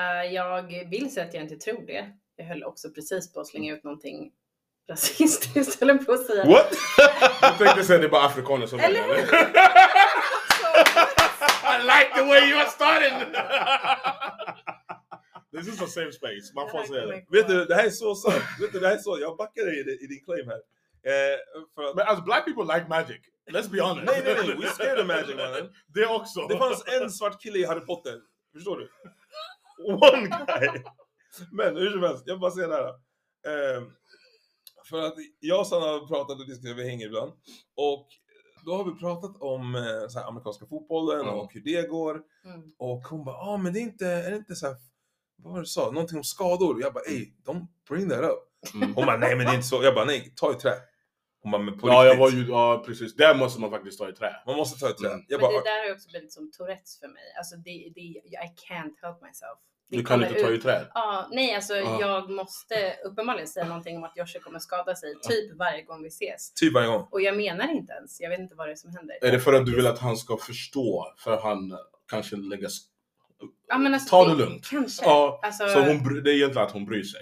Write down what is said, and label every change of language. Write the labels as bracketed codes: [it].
[sv] Jag vill säga att jag inte tror det. Jag höll också precis på att slänga ut någonting rasistiskt, eller på att säga. [en] What? [sv] Du tänkte säga att det är bara afrikaner som väljer. [en] I like the way you are starting. This is a safe space. [sv] Man får säga det. Vet du, det här är så sant. Vet du, det här är så. Jag backar dig i din claim här. Men [en] as black people like magic. Let's be honest. [sv] Nej. [en] We're scared of magic, man. [sv] Det också. Det fanns en svart kille i Harry Potter. Förstår du? [en] One guy. [sv] Men hur som helst, jag bara säger det här. För att jag och Sanna har pratat och diskuterat, vi hänger ibland. Och då har vi pratat om så här, amerikanska fotbollen och hur det går. Mm. Och hon bara, ja, men det är inte, så här, vad var det du sa? Någonting om skador. Och jag bara, ej, [en] don't bring that up. [sv] Mm. Hon bara, nej, men det är inte så. Jag bara, nej, ta i trä. Hon bara, men på riktigt. Ja, precis. Där måste man faktiskt ta i trä. Man måste ta i trä. Jag bara, men det där har ju också blivit som Tourette för mig. Alltså, [en] I can't help myself. [sv] Du kan inte ta i trä. Nej, alltså jag måste uppenbarligen säga någonting om att Josh kommer skada sig typ varje gång vi ses. Typ varje gång. Och jag menar inte ens. Jag vet inte vad det är som händer. Är det för att du vill att han ska förstå? För han kanske lägger... Ja, men alltså, ta det lugnt. Kanske. Ja, alltså, så hon, det är egentligen att hon bryr sig.